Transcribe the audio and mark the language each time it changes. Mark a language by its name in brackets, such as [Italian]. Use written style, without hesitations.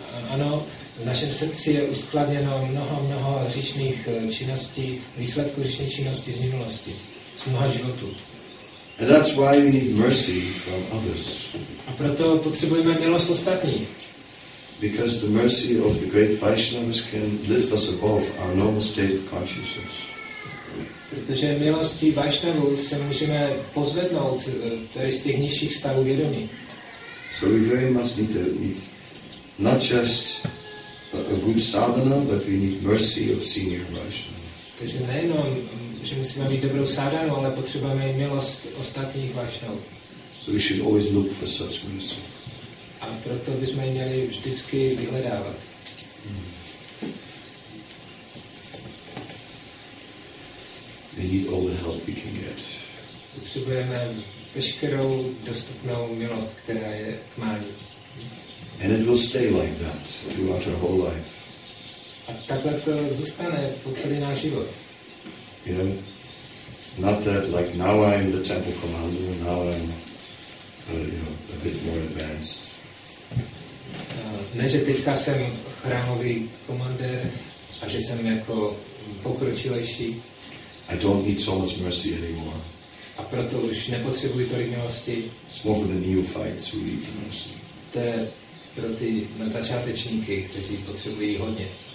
[Czech] Ano, v našem srdci je uskladněno mnoho, mnoho hříšných činností, výsledků hříšných činností z minulosti, z mnoha životů. [English] And that's why we need mercy from others. [Czech] A proto potřebujeme milost ostatních. [English] Because the mercy of the great Vaishnavas can lift us above our normal state of consciousness. [Czech] Protože milostí Vaishnavů se můžeme pozvednout tedy z těch nižších stavů vědomí. [English] So we very much need not just a good sadhana, but we need mercy of senior Vaishnavas. [Czech] Takže nejenom, že musíme mít dobrou sadhanu, ale potřebujeme i milost ostatních Vaishnavů. [English] So we should always look for such mercy. [Czech] A proto bychom ji měli vždycky vyhledávat. [English] We need all the help we can get. [Czech] Potřebujeme veškerou dostupnou milost, která je k mání. [English] And it will stay like that throughout our whole life. [Czech] A takhle to zůstane po celý náš život. [English] You know, not that like now I'm the temple commander, now I'm a bit more advanced. [Czech] Ne, že teďka jsem chrámový komandér a že jsem jako pokročilejší. [English] I don't need so much mercy anymore. [Czech] A proto už nepotřebuji tolik milosti. [English] It's more for the neophytes who need the mercy. [Czech] To je pro ty začátečníky, kteří potřebují hodně.